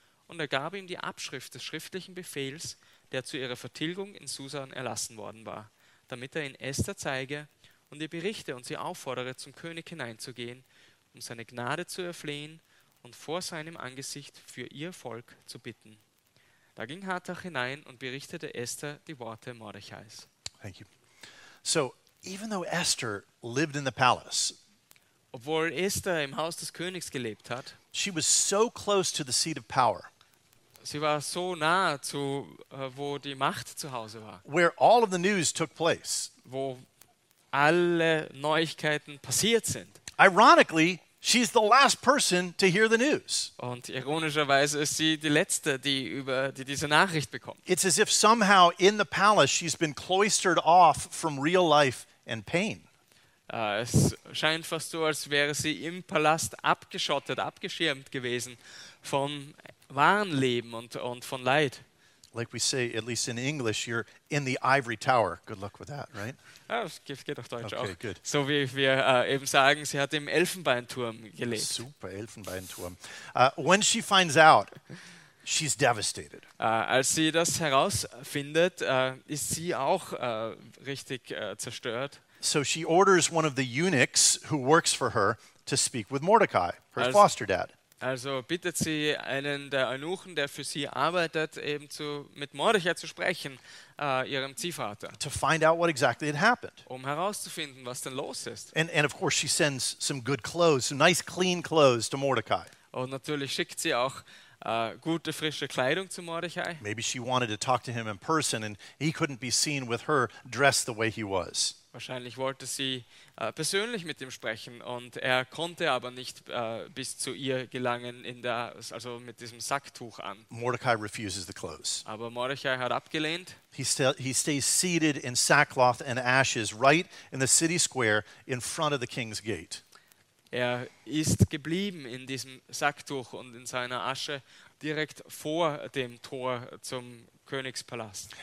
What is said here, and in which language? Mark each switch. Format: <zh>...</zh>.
<de>Und er gab ihm die Abschrift des schriftlichen Befehls, der zu ihrer Vertilgung in Susan erlassen worden war, damit er ihn Esther zeige und ihr berichte und sie auffordere, zum König hineinzugehen, um seine Gnade zu erflehen und vor seinem Angesicht für ihr Volk zu bitten. Da ging Hatach hinein und berichtete Esther die Worte Mordechais.</de> <en>Thank you. So, even though Esther lived in the palace,</en> <de>obwohl Esther im Haus des Königs gelebt hat,</de> <en>she was so close to the seat of power.</en> <de>Sie war so nah zu wo die Macht zu Hause war.</de> <en>Where all of the news took place.</en> <de>Wo alle Neuigkeiten passiert sind.</de> <en>Ironically, she's the last person to hear the news.</en> <de>Und ironischerweise ist sie die letzte, die über die diese Nachricht bekommt.</de> <en>It's as if somehow in the palace she's been cloistered off from real life and pain.</en> <de>Es scheint fast so, als wäre sie im Palast abgeschottet, abgeschirmt gewesen vom wahren Leben und von Leid.</de> <en>Like we say, at least in English, you're in the ivory tower. Good luck with that, right?</en> <de>Ja, das geht auf Deutsch okay, auch.</de> <en>Good.</en> <de>So wie wir eben sagen, sie hat im Elfenbeinturm gelebt. Super, Elfenbeinturm.</de> <en>When she finds out, she's devastated.</en> <de>Als sie das herausfindet, ist sie auch richtig zerstört.</de> <en>So she orders one of the eunuchs who works for her to speak with Mordechai, her foster dad.</en> <de>Also bittet sie einen der Eunuchen, der für sie arbeitet, eben zu mit Mordechai zu sprechen, ihrem Ziehvater.</de> <en>To find out what exactly had happened.</en> <de>Um herauszufinden, was denn los ist.</de> <en>And of course she sends some good clothes, some nice clean clothes to Mordechai.</en> <de>Und natürlich schickt sie auch gute frische Kleidung zu Mordechai.</de> <en>Maybe she wanted to talk to him in person and he couldn't be seen with her dressed the way he was.</en> <de>Wahrscheinlich wollte sie persönlich mit ihm sprechen und er konnte aber nicht bis zu ihr gelangen, in der, also mit diesem Sacktuch an.</de> <en>Mordechai refuses the clothes.</en> <de>Aber Mordechai hat abgelehnt.</de> <en>He stays seated in sackcloth and ashes right in the city square in front of the king's gate.</en> <de>Er ist geblieben in diesem Sacktuch und in seiner Asche direkt vor dem Tor zum Königspalast.</de>